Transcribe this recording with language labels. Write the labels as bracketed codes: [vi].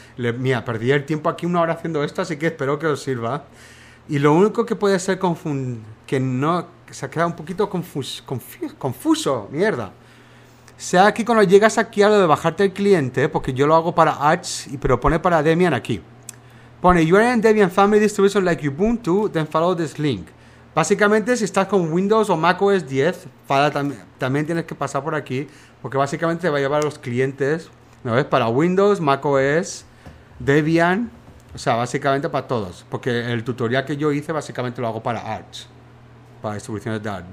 [es] Mira, perdí el tiempo aquí una hora haciendo esto, así que espero que os sirva. Y lo único que puede ser se ha quedado un poquito confuso, mierda. Sea aquí cuando llegas aquí a lo de bajarte el cliente, porque yo lo hago para Arch, pero pone para Debian aquí. Pone, [en] you are in Debian Family Distribution like Ubuntu, then follow this link. [es] Básicamente, si estás con Windows o Mac OS 10, también tienes que pasar por aquí, porque básicamente te va a llevar a los clientes, ¿no ves? Para Windows, Mac OS, Debian O sea, básicamente para todos. Porque el tutorial que yo hice básicamente lo hago para Arch. Para distribuciones de Arch.